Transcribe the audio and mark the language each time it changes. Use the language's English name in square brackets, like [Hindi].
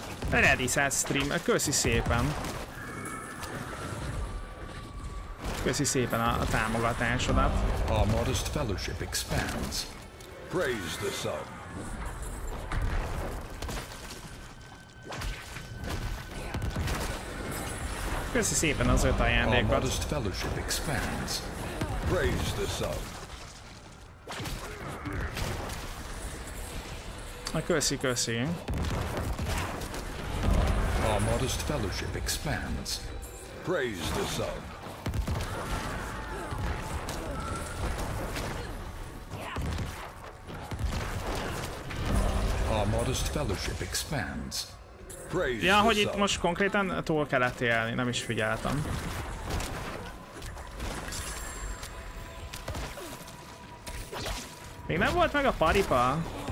[Hungarian] Ready set stream, köszi szépen! Köszi szépen a támogatásodat. [English] A modest fellowship expands. Praise the sun. [Hungarian] Köszi szépen az öt ajándékot. [English] A modest fellowship expands. Praise the sun. [Hungarian] Köszi, köszi. [English] A modest fellowship expands. Praise the sun. A modest fellowship expands. [Hungarian] Praise ja, hogy itt most konkrétan túl kellett élni, nem is figyeltem. Még nem volt meg a paripa?